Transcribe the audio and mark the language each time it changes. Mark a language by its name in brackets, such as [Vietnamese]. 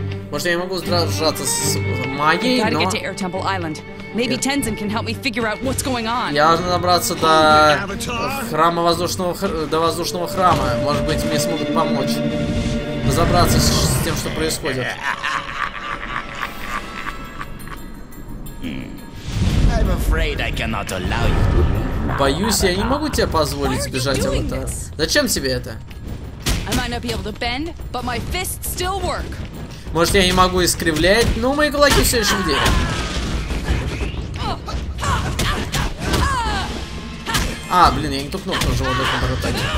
[Russian] Может, я не могу сражаться с магией, но... Я должен добраться до храма воздушного... до воздушного храма. Может быть, мне смогут помочь. Разобраться с тем, что происходит. [English] I'm afraid I cannot allow you. [Russian] Боюсь, я не могу тебе позволить сбежать, аватар. Зачем тебе это? [English] I might not be able to bend, but my fists still work. [Russian] Может, я не могу искривлять, но мои кулаки все еще в деле. А, блин, я не ту кнопку нажал, должен поротать.